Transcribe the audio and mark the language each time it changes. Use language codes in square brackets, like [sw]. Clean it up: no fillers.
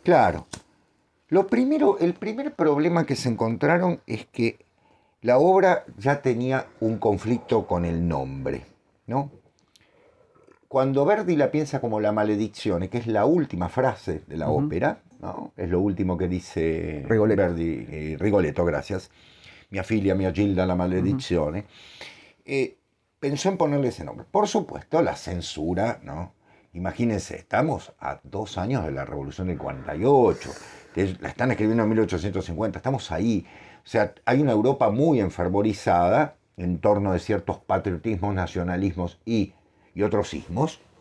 [es] Claro. El primer problema que se encontraron es que La obra ya tenía un conflicto con el nombre, ¿no? Cuando Verdi la piensa como La Maledizione, que es la última frase de la ópera, ¿no? Es lo último que dice Rigoletto. Verdi, Rigoletto, gracias. [it] Mia figlia, mia Gilda, La Maledizione. [es] Pensó en ponerle ese nombre. Por supuesto, la censura, ¿no? Imagínense, estamos a 2 años de la Revolución del 48, la están escribiendo en 1850, estamos ahí. O sea, hay una Europa muy enfervorizada en torno de ciertos patriotismos, nacionalismos y otros sismos.